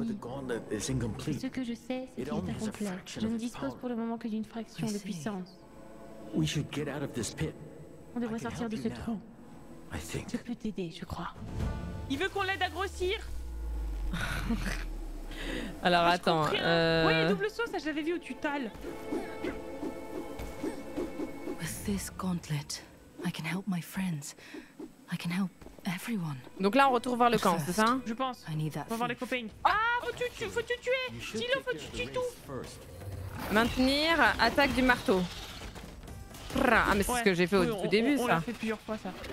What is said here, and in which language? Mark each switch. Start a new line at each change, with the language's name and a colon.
French: Mais ce que je sais, c'est qu'il est incomplet. Je ne dispose pour le moment que d'une fraction de puissance. On devrait sortir de ce trou. Je peux t'aider, je crois. Il veut qu'on l'aide à grossir. Alors ah, attends. Ouais, double saut, ça j'avais vu au tutal.
English: With this gauntlet, I can help my friends. I can help everyone.
French: Donc là, on retourne voir le camp, c'est ça? Je pense. On va voir les copains. Ah, faut tuer. Dis-le, faut tuer tout. Maintenir, attaque du marteau. Ah, mais c'est ouais. Ce que j'ai fait au début, on ça. On l'a fait plusieurs fois, ça.